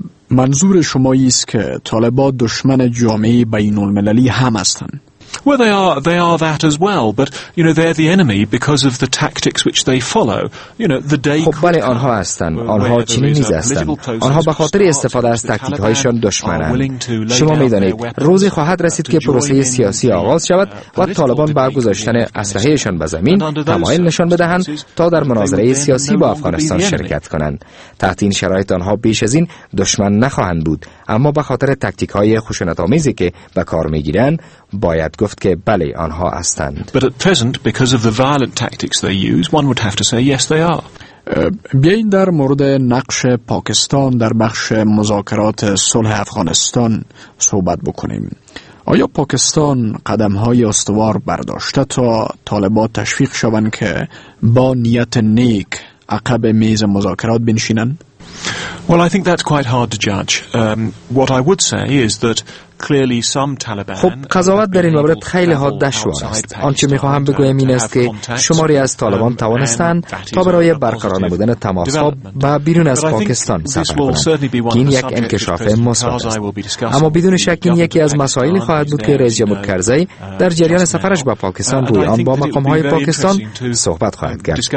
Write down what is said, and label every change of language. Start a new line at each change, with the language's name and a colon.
Persian: منظور شما ایست که طالبان دشمن جامعه بین المللی هم هستند؟
English: Well, they are that as well, but you know they're the enemy because of the tactics which they follow. You know the day.
Persian: خب بله آنها هستند. آنها چنی نیز هستند. آنها به خاطر استفاده از تاکتیک هایشان دشمنند. شما میدانید روزی خواهد رسید که پروسه سیاسی آغاز شود و طالبان با گذاشتن اسلحه شان به زمین تمایل نشان بدهند تا در مناظره سیاسی با افغانستان شرکت کنند. تحت این شرایط آنها بیش از این دشمن نخواهند بود، اما به خاطر تاکتیک های خشونت آمیزی که به کار میگیرند باید گفت که بله آنها هستند.
English: But at present, because of the violent tactics they use, one would have to say yes, they are.
Persian: بیاین در مورد نقش پاکستان در بخش مذاکرات صلح افغانستان صحبت بکنیم. آیا پاکستان قدم های استوار برداشته تا طالبان تشویق شوند که با نیت نیک عقب میز مذاکرات بنشینند؟
English: Well, I think that's quite hard to judge. What I would say is that clearly some Taliban.
Persian: خب قضاوت در این مورد خیلی ها دشوار است. آنچه میخواهم بگویم این است که شماری از طالبان توانستند تا برای برقرار نمودن تماس ها با بیرون از پاکستان سفر کنند. این یک انکشاف مثبت است. اما بدون شک این یکی از مسائلی خواهد بود که رئیس جمهور کرزی در جریان سفرش به پاکستان روی آن با مقام های پاکستان صحبت خواهد کرد.